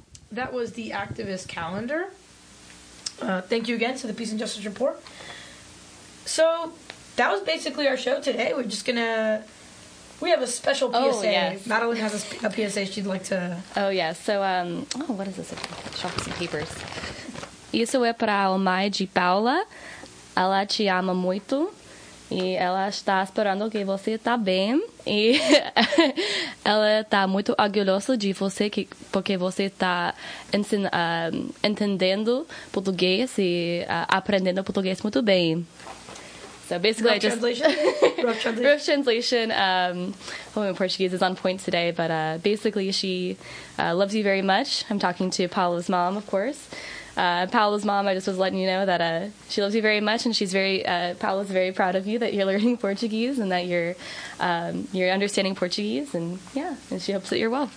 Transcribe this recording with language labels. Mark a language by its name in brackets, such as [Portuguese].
[English] That was the Activist Calendar. Thank you again to the Peace and Justice Report. So that was basically our show today. We're just going to... We have a special PSA. Oh, yes. Madeline has a PSA she'd like to... Oh, yes. So, what is this? Chocolates and papers. [Portuguese] Isso é para a mãe de Paula. Ela te ama muito. E ela está esperando que você está bem. E ela está muito orgulhosa de você, que, porque você está entendendo português e aprendendo português muito bem. [English] So basically, rough translation. Rough translation. Well, Portuguese is on point today, but basically, she loves you very much. I'm talking to Paula's mom, of course. Paula's mom, I just was letting you know that she loves you very much, and she's very Paula's very proud of you that you're learning Portuguese and that you're understanding Portuguese, and yeah, and she hopes that you're well.